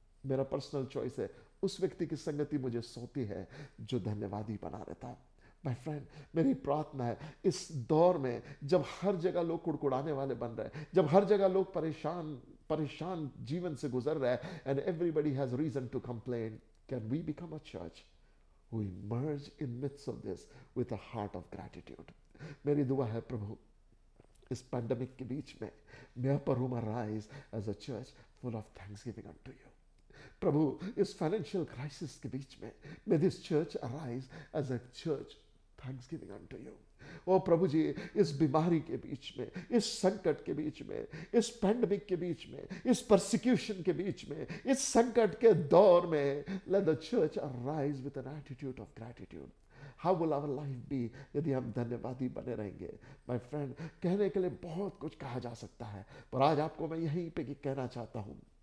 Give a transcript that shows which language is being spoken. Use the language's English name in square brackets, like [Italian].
[Hindi] मेरा personal choice है, उस व्यक्ति की संगति मुझे सोती है जो धन्यवादी बना रहता है। माय फ्रेंड, मेरी प्रार्थना है इस दौर में जब हर जगह लोग कुड़कुड़ाने वाले बन रहे, जब हर जगह लोग परेशान परेशान जीवन से गुजर रहे, [English] And everybody has reason to complain, Can we become a church who emerge in midst of this with a heart of gratitude? [Hindi] मेरी दुआ है प्रभु इस पैंडमिक के बीच में [English] मैं पर हूँ rise as a church full of thanksgiving unto you प्रभु [Hindi] इस फाइनेंशियल क्राइसिस के बीच में [English] may this church arise as a church thanksgiving unto you [Hindi] ओ प्रभु जी इस बीमारी के बीच में इस संकट के बीच में इस पैंडमिक के बीच में इस परसिक्यूशन के बीच में इस संकट के दौर में [English] let the church arise with an attitude of gratitude How will our life be [Hindi] यदि हम धन्यवादी बने रहेंगे [English] My friend, [Hindi] कहने के लिए बहुत कुछ कहा जा सकता है पर आज आपको मैं यहीं पे कहना चाहता हूँ